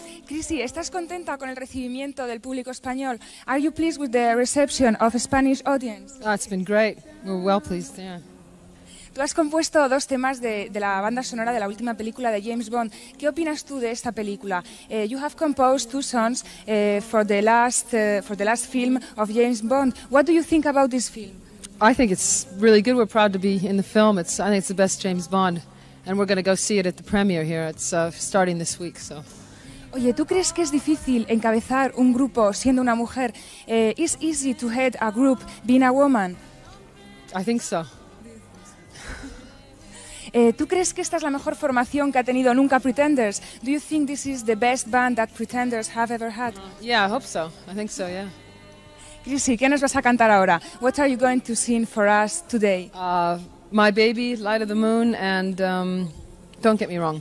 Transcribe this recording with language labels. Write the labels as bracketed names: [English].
[Spanish] Chrissy, ¿estás contenta con el recibimiento del público español? [English] Are you pleased with the reception of Spanish audience? Oh, it's been great. We're well pleased, yeah. [Spanish] Tú has compuesto dos temas de la banda sonora de la última película de James Bond. ¿Qué opinas tú de esta película? [English] You have composed two songs for the last film of James Bond. What do you think about this film? I think it's really good. We're proud to be in the film. I think it's the best James Bond, and we're going to go see it at the premiere here. It's starting this week, so. [Spanish] Oye, ¿tú crees que es difícil encabezar un grupo siendo una mujer? [English] Is it easy to head a group being a woman? I think so. [Spanish] ¿Tú crees que esta es la mejor formación que ha tenido nunca Pretenders? [English] Do you think this is the best band that Pretenders have ever had? Yeah, I hope so. I think so, yeah. [Spanish] Chrissy, ¿qué nos vas a cantar ahora? [English] What are you going to sing for us today? My Baby, Light of the Moon, and Don't Get Me Wrong.